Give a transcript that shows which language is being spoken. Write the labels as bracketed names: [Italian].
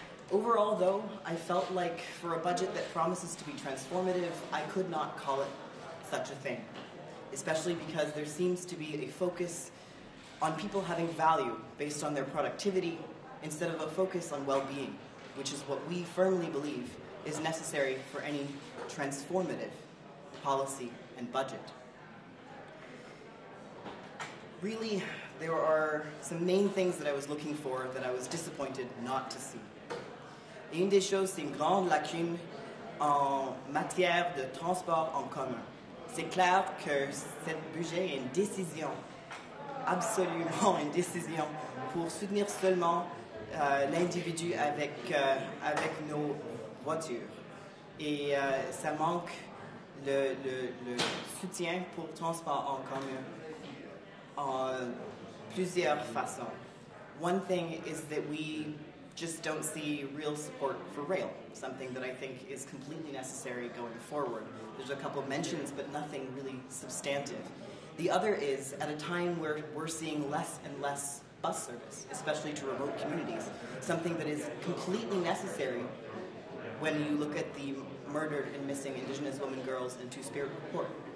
[English] Overall, though, I felt like for a budget that promises to be transformative, I could not call it such a thing, especially because there seems to be a focus on people having value based on their productivity instead of a focus on well-being, which is what we firmly believe is necessary for any transformative policy and budget. Really, there are some main things that I was looking for that I was disappointed not to see. [French] Une des choses, c'est une grande lacune en matière de transport en commun. C'est clair que ce budget est une décision, absolument une décision, pour soutenir seulement l'individu avec nos voitures. Et ça manque le soutien pour transport en commun en plusieurs façons. [English] One thing is that we just don't see real support for rail, something that I think is completely necessary going forward. There's a couple of mentions, but nothing really substantive. The other is, at a time where we're seeing less and less bus service, especially to remote communities, something that is completely necessary when you look at the murdered and missing Indigenous women, girls, and Two-Spirit report.